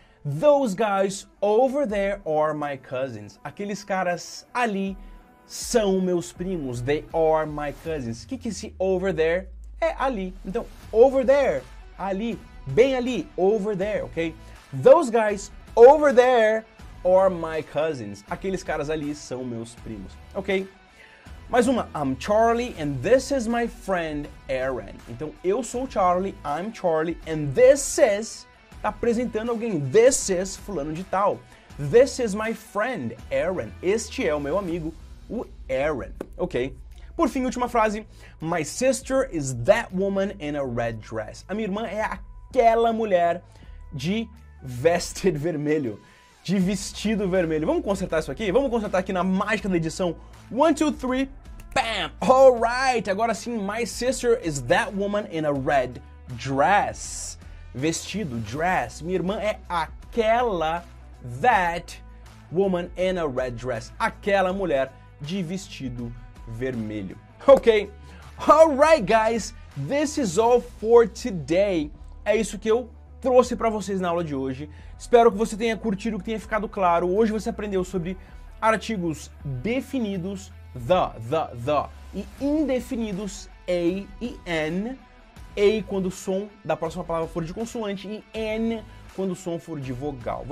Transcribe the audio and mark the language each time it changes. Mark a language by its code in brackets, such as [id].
[en] Those guys over there are my cousins. [pt] Aqueles caras ali são meus primos. [en] They are my cousins. [pt] O que é esse over there? É ali. Então, over there, ali, bem ali, over there, ok? [en] Those guys over there are my cousins. [pt] Aqueles caras ali são meus primos, [en] ok? [pt] Mais uma, [en] I'm Charlie and this is my friend Aaron. [pt] Então, eu sou o Charlie, [en] I'm Charlie and this is, [pt] tá apresentando alguém, this is fulano de tal. [en] This is my friend Aaron, [pt] este é o meu amigo, o Aaron, [en] ok? [pt] Por fim, última frase, [en] my sister is that woman in a red dress. [pt] A minha irmã é aquela mulher de vested vermelho, de vestido vermelho. Vamos consertar isso aqui? Vamos consertar aqui na mágica da edição. 1, 2, 3, bam! [en] Alright, [pt] agora sim, [en] my sister is that woman in a red dress. [pt] Vestido, dress. Minha irmã é aquela, [en] that woman in a red dress. [pt] Aquela mulher de vestido vermelho. Ok? [en] Alright, guys, this is all for today. [pt] É isso que eu trouxe pra vocês na aula de hoje. Espero que você tenha curtido, que tenha ficado claro. Hoje você aprendeu sobre artigos definidos, the, e indefinidos, a e n, a quando o som da próxima palavra for de consoante e n quando o som for de vogal.